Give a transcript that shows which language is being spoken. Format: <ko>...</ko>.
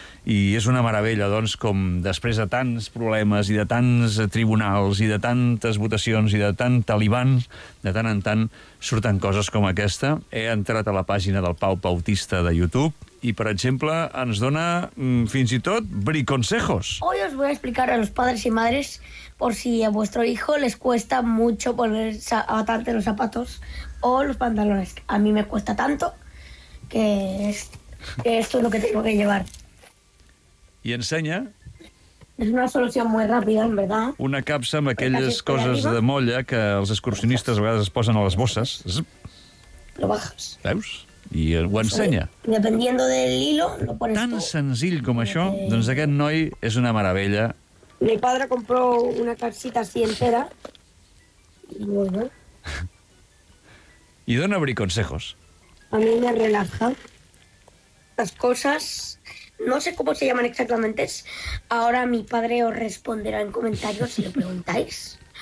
<ca>I és una meravella, doncs, com després de tants problemes i de tants tribunals i de tantes votacions i de tant talibán, de tant en tant surten coses com aquesta. He entrat a la pàgina del Pau Pautista de YouTube i, per exemple, ens dona fins i tot briconsejos.</ca> <es>Hoy os voy a explicar a los padres y madres por si a vuestro hijo les cuesta mucho volver a atarte los zapatos o los pantalones. A mí me cuesta tanto que esto es lo que tengo que llevar.</es> <ca>I ensenya... És una solució molt ràpida, en veritat. Una capsa amb aquelles coses de molla que els excursionistes a vegades es posen a les bosses.</ca> <es>Lo bajas.</es> <ca>Veus? I ho ensenya.</ca> <es>Dependiendo del hilo, lo pones</es> <ca>tan senzill com això, doncs aquest noi és una meravella.</ca> <es>Mi padre compró una capsita así entera. Bueno.</es> <ca>I dona briconsejos.</ca> <es>A mí me relaja. Las cosas... No sé cómo se llaman exactamente. Ahora mi padre os responderá en comentarios si lo preguntáis.</es>